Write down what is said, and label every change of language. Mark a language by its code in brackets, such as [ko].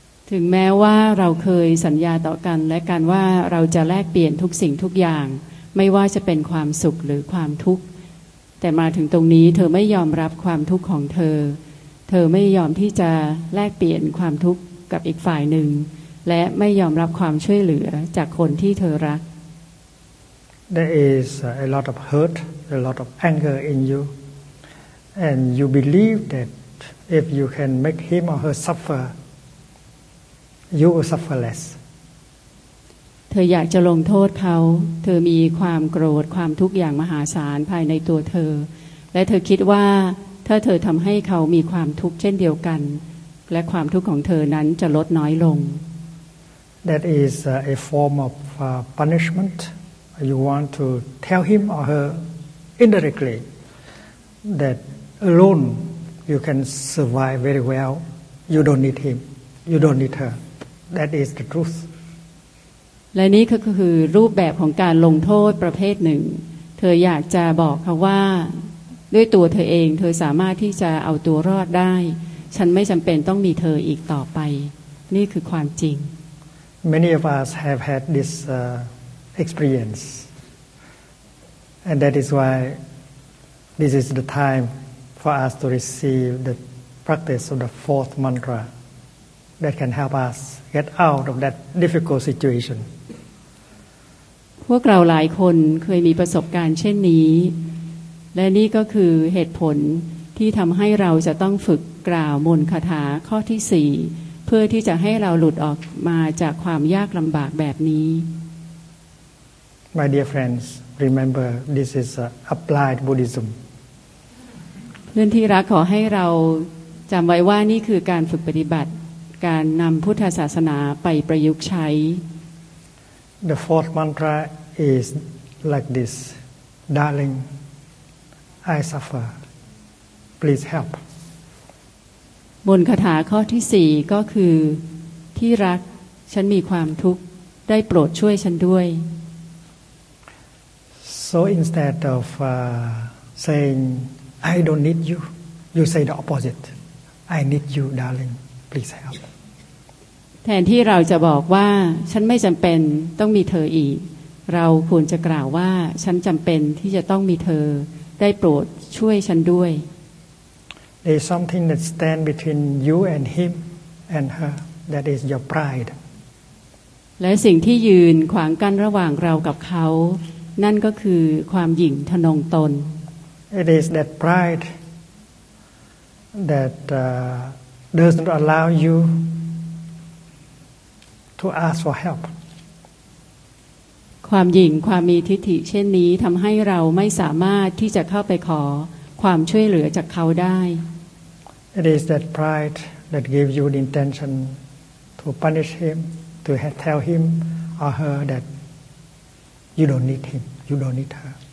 [th] ถึงแม้ว่าเราเคยสัญญาต่อกันและกันว่าเราจะแลกเปลี่ยนทุกสิ่งทุกอย่างไม่ว่าจะเป็นความสุขหรือความทุกข์แต่มาถึงตรงนี้เธอไม่ยอมรับความทุกข์ของเธอเธอไม่ยอมที่จะแลกเปลี่ยนความทุกข์กับอีกฝ่ายหนึ่งและไม่ยอมรับความช่วยเหลือจากคนที่เธอรัก [en] There is a lot of hurt, a lot of anger in you, and you believe that if you can make him or her sufferYou will suffer less. [th] เธออยากจะลงโทษเขาเธอมีความโกรธความทุกข์อย่างมหาศาลภายในตัวเธอและเธอคิดว่าถ้าเธอทำให้เขามีความทุกข์เช่นเดียวกันและความทุกข์ของเธอนั้นจะลดน้อยลง [en] That is a form of punishment. You want to tell him or her indirectly that alone you can survive very well. You don't need him. You don't need her. That is the truth. [th] และนี้ก็คือรูปแบบของการลงโทษประเภทหนึ่งเธออยากจะบอกเขาว่าด้วยตัวเธอเองเธอสามารถที่จะเอาตัวรอดได้ฉันไม่จำเป็นต้องมีเธออีกต่อไปนี่คือความจริง [en] Many of us have had this experience, and that is why this is the time for us to receive the practice of the fourth mantra. That can help us get out of that difficult situation. [th] พวกเราหลายคนเคยมีประสบการณ์เช่นนี้และนี่ก็คือเหตุผลที่ทำให้เราจะต้องฝึกกล่าวมนต์คาถาข้อที่4เพื่อที่จะให้เราหลุดออกมาจากความยากลำบากแบบนี้ [en] My dear friends, remember this is applied Buddhism. [th] เพื่อนที่รักขอให้เราจำไว้ว่านี่คือการฝึกปฏิบัติการนำพุทธศาสนาไปประยุกต์ใช้ [en] The fourth mantra is like this Darling I suffer Please help [th] บนคาถาข้อที่4ก็คือที่รักฉันมีความทุกข์ได้โปรดช่วยฉันด้วย [en] So instead of saying I don't need you you say the opposite I need you darling please help [th] แทนที่เราจะบอกว่าฉันไม่จำเป็นต้องมีเธออีกเราควรจะกล่าวว่าฉันจำเป็นที่จะต้องมีเธอได้โปรดช่วยฉันด้วย [en] There is something that stands between you and him and her that is your pride [th] และสิ่งที่ยืนขวางกั้นระหว่างเรากับเขานั่นก็คือความหยิ่งทนงตน [en] It is that pride that does not allow youTo ask for help. [th] ความหยิ่งความมีทิฐิเช่นนี้ทำให้เราไม่สามารถที่จะเข้าไปขอความช่วยเหลือจากเขาได้ [en] It is that pride that gives you the intention to punish him, to tell him or her that you don't need him, you don't need her.